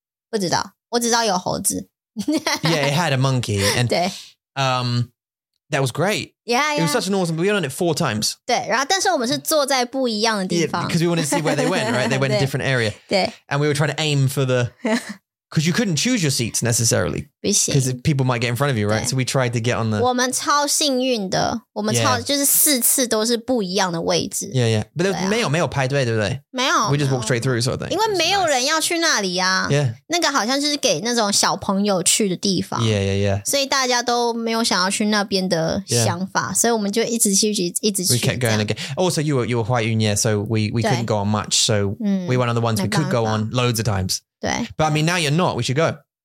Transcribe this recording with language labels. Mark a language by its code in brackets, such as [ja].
[zh] 不知道，我只知道有猴子。 [en] Yeah， it had a monkey and [zh] 对 [en] That was great. Yeah. It was such an awesome, we went on it 4 times. [zh] 对,然后但是我们是坐在不一样的地方。 [en] Yeah, because we wanted to see where they went, right? They went in a different area. [zh] 对。 [en] And we were trying to aim for the, because you couldn't choose your seats necessarily. [zh] 不行。 [en] Because people might get in front of you, right? So we tried to get on the... [zh] 我们超幸运的,我们超,就是四次都是不一样的位置。 [en] Yeah, yeah. But [zh] 没有排队,对不对? 没有。 [en] We just walked straight through, sort of thing. [zh] 因为没有人要去那里啊。 [en] Yeah. [zh] 那个好像就是给那种小朋友去的地方。 [en] Yeah, yeah, yeah. [zh] 所以大家都没有想要去那边的想法。所以我们就一直去,一直去。 [en] We kept going again. Also, you were quite young, yeah, so we couldn't go on much. So we went on the ones we could go on loads of times. [zh] 对。 [en] But I mean, now you're not, we should go.